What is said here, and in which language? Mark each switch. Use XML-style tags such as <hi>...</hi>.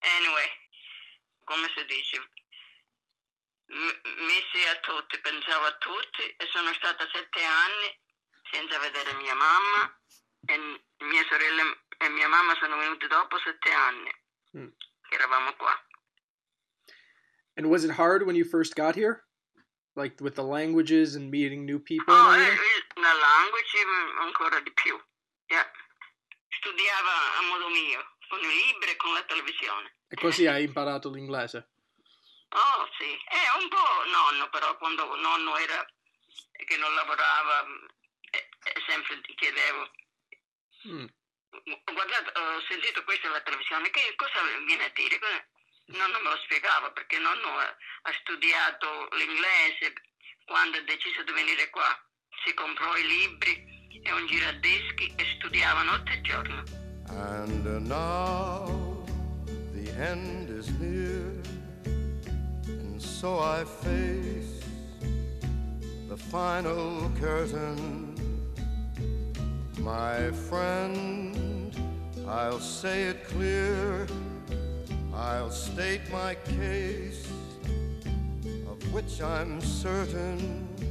<it>Anyway, come si dice, missi a tutti, pensavo a tutti, e sono stata 7 anni senza vedere mia mamma. E mia sorella e mia mamma sono venute dopo 7 anni che eravamo qua.</it> <en>And was it hard when you first got here? Like with the languages and meeting new people?</en> <it>Oh, la language ancora di più. Yeah. Studiava a modo mio, con i libri e con la televisione. E così hai imparato l'inglese? Oh, sì. Un po' nonno, però quando nonno era che non lavorava, sempre ti chiedevo. Guardate, ho sentito questa alla televisione, che cosa viene a dire? Nonno me lo spiegava, perché nonno ha studiato l'inglese quando ha deciso di venire qua. Si comprò i libri e un giradischi e studiava notte e giorno.</it> <en>And now the end is near, and so I face the final curtain. My friend, I'll say it clear, I'll state my case, of which I'm certain.</en>